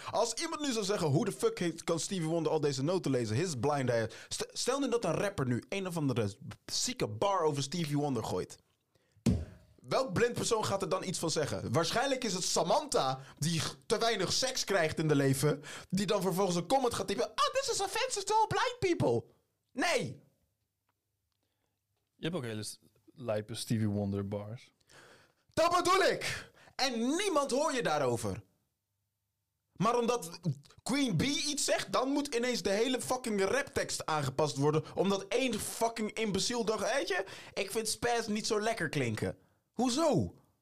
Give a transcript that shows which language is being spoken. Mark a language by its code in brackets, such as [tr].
[nl] Als iemand nu zou zeggen, hoe de fuck kan Stevie Wonder al deze noten lezen? [en] His blind eye. [nl] Stel nu dat een rapper nu een of andere zieke bar over Stevie Wonder gooit. Welk blind persoon gaat er dan iets van zeggen? Waarschijnlijk is het Samantha die te weinig seks krijgt in de leven. Die dan vervolgens een comment gaat typen. [en] Ah, this is offensive to all blind people. [nl] Nee. Je hebt ook hele lijpe Stevie Wonder bars. Dat bedoel ik. En niemand hoor je daarover. Maar omdat Queen Bee iets zegt, dan moet ineens de hele fucking raptekst aangepast worden. Omdat één fucking imbeciel dacht, weet je, ik vind spaz niet zo lekker klinken. Hoezo?